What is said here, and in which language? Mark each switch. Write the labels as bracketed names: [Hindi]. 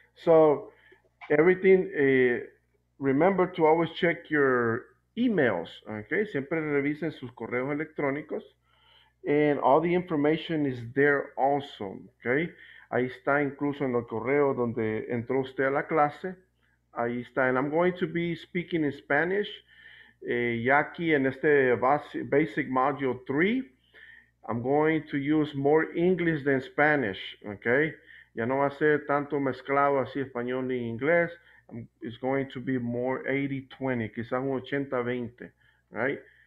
[English] So everything, remember to always check your emails, okay? [Spanish] Siempre revisen sus correos electrónicos. [English] And all the information is there also, okay? [Spanish] Ahí está incluso en el correo donde entró usted a la clase. Ahí está. [English] And I'm going to be speaking in Spanish. [Spanish] Ya aquí en este [English] basic module 3, I'm going to use more English than Spanish, okay? [Spanish] Ya no va a ser tanto mezclado así español ni inglés. [English] It's going to be more 80-20, [Spanish] quizás un 80-20, [English] right?